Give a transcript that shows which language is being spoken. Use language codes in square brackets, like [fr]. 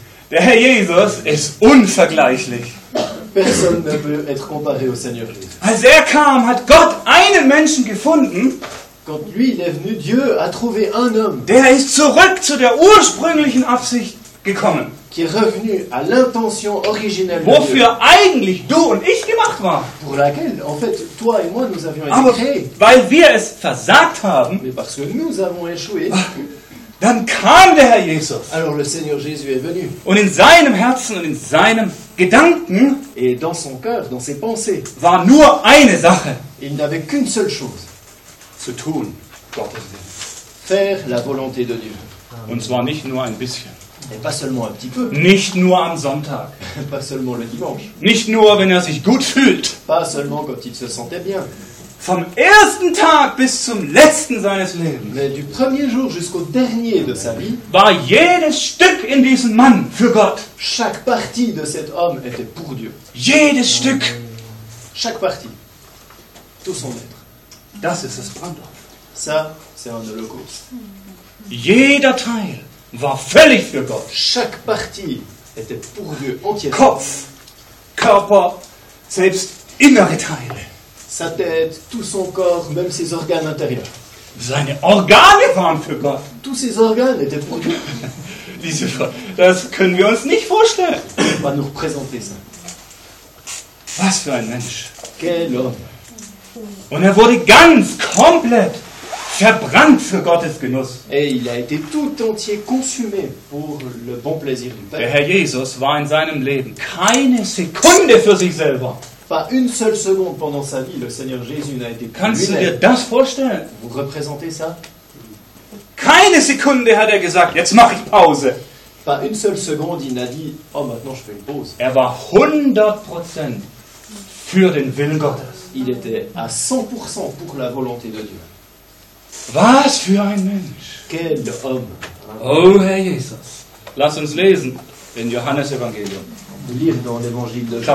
[de] Der Herr Jesus ist unvergleichlich. [fr] Personne ne peut être comparé au Seigneur Jésus. [de] Als er kam, hat Gott einen Menschen gefunden. [fr] Quand lui il est venu, Dieu a trouvé un homme. [de] Der ist zurück zu der ursprünglichen Absicht gekommen. [fr] Qui est revenu à l'intention originelle. [de] Wofür eigentlich du und ich gemacht waren. [fr] Pour laquelle, en fait, toi et moi, nous avions [de] Aber [fr] été créés. [de] Weil wir es versagt haben. [fr] Mais parce que nous avons échoué. [de] Dann kam der Herr Jesus. [fr] Alors le Seigneur Jésus est venu. [de] Und in seinem Herzen und in seinem Gedanken. [fr] Et dans son cœur, dans ses pensées. [de] War nur eine Sache. [fr] Il n'avait qu'une seule chose. [de] Zu tun, [fr] faire la volonté de Dieu. [de] Und zwar nicht nur ein bisschen. [fr] Et pas seulement un petit peu. [de] Nicht nur am Sonntag. [fr] Pas seulement le dimanche. [de] Nicht nur, wenn sich gut fühlt. [fr] Pas seulement quand il se sentait bien. [de] Vom ersten Tag bis zum letzten seines Lebens. [fr] Mais du premier jour jusqu'au dernier de sa vie. [de] War jedes Stück in diesem Mann für Gott. [fr] Chaque partie de cet homme était pour Dieu. [de] Jedes Stück. [fr] Chaque partie. Tout son être. [de] Das ist das Brandon. [fr] Ça, c'est un holocauste. [de] Jeder Teil war völlig für Gott. [fr] Chaque partie était pour Dieu entièrement. [de] Kopf, Körper, selbst innere Teile. [fr] Sa tête, tout son corps, même ses organes intérieurs. [de] Seine Organe waren für Gott. [fr] Tous ses organes étaient pour Dieu. [de] Diese Frage, das können wir uns nicht vorstellen. [fr] On va nous représenter ça. [de] Was für ein Mensch. [fr] Quel homme. [de] Und wurde ganz komplett verbrannt für Gottes Genuss. [fr] Et il a été tout entier consumé pour le bon plaisir du Père. [de] Der Herr Jesus war in seinem Leben keine Sekunde für sich selber. [fr] Pas une seule seconde pendant sa vie, le Seigneur Jésus n'a été pour lui-même. [de] Kannst du dir das vorstellen? [fr] Vous représentez ça? [de] Keine Sekunde hat gesagt, jetzt mache ich Pause. [fr] Pas une seule seconde, il n'a dit, oh maintenant je fais une pause. [de] War 100% für den Willen Gottes. [fr] Il était à 100% pour la volonté de Dieu. [de] Was für ein Mensch. [fr] Quel homme. [de] Oh, Herr Jesus. Lass uns lesen in Johannes Evangelium. [fr] On peut lire dans l'Évangile de Jean.